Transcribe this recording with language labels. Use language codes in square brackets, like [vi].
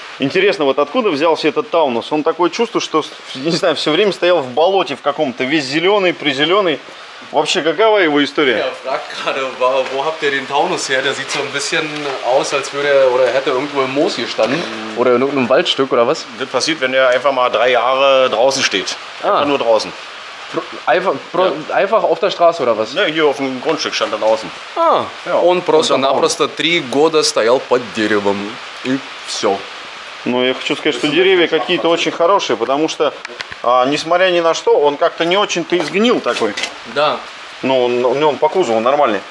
[ru] Интересно, вот откуда взялся этот Таунус? Он такое чувство, что, не знаю, все время стоял в болоте в каком-то, весь зеленый, призеленый. Вообще, какова его история? Я спрашиваю, где вы взяли этот Таунус? Он выглядит как будто бы он где-то в мосе стоял. Или в каком-то вальдштюк, или что? Это происходит, когда он просто 3 года draußen стоит. Только draußen. [de] Einfach auf der Straße, oder was? Ne, hier auf dem Grundstück stand er draußen. Ah, ja. [ru] Он просто-напросто 3 года стоял под деревом. И все. Ну, я хочу сказать, что деревья какие-то очень хорошие, потому что, несмотря ни на что, он как-то не очень-то изгнил такой. Да. Ну, у него он по кузову нормальный.